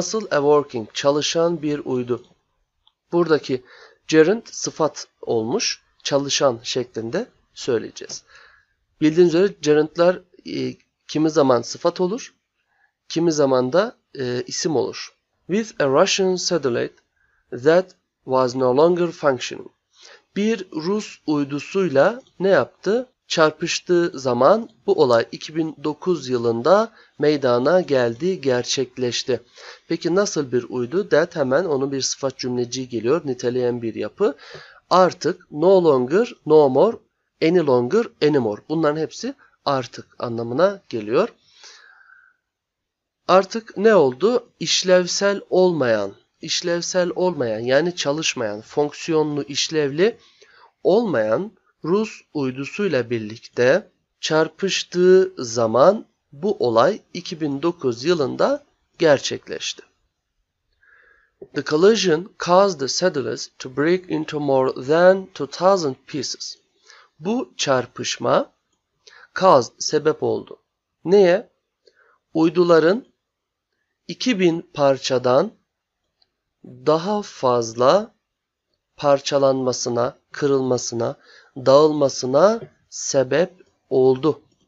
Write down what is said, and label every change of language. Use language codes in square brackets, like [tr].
[tr] Nasıl? [en] A working, [tr] çalışan bir uydu. Buradaki gerund sıfat olmuş. Çalışan şeklinde söyleyeceğiz. Bildiğiniz üzere gerundlar kimi zaman sıfat olur, kimi zaman da isim olur. [en] With a Russian satellite that was no longer functioning. [tr] Bir Rus uydusuyla ne yaptı? Çarpıştığı zaman bu olay 2009 yılında meydana geldi, gerçekleşti. Peki nasıl bir uydu? That hemen onun bir sıfat cümleciği geliyor, niteleyen bir yapı. [en] Artık no longer, no more, any longer, anymore. [tr] Bunların hepsi artık anlamına geliyor. Artık ne oldu? İşlevsel olmayan, işlevsel olmayan yani çalışmayan, fonksiyonlu, işlevli olmayan Rus uydusuyla birlikte çarpıştığı zaman bu olay 2009 yılında gerçekleşti. [en] The collision caused the satellites to break into more than 2000 pieces. [tr] Bu çarpışma caused, sebep oldu. Neye? Uyduların 2000 parçadan daha fazla parçalanmasına, kırılmasına, dağılmasına sebep oldu.